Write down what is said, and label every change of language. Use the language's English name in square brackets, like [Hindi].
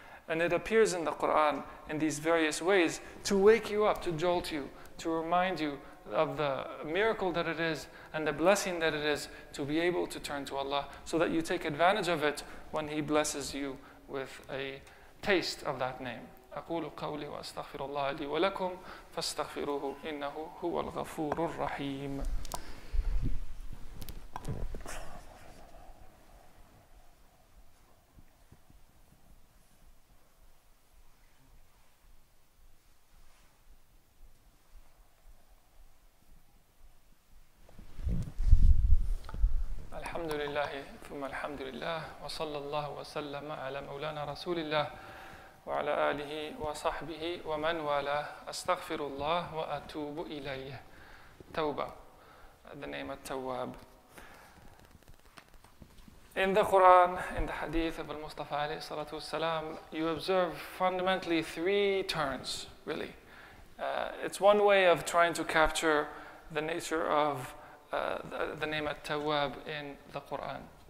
[English] And it appears in the Quran in these various ways to wake you up, to jolt you, to remind you of the miracle that it is and the blessing that it is to be able to turn to Allah, so that you take advantage of it when He blesses you with a taste of that name. [Arabic] أقول قولي وأستغفر الله لي ولكم فاستغفروه إنه هو الغفور الرحيم. الحمد لله ثم الحمد لله وصلى الله وسلم على مولانا رسول الله وعلى آله وصحبه ومن والاه أستغفر الله وأتوب إليه. [English] توبة, the name of Tawwab. In the Quran, in the Hadith of Al-Mustafa [Arabic] عليه الصلاة والسلام, [English] you observe fundamentally three turns, really. It's one way of trying to capture the nature of the name At-Tawwab in the Quran.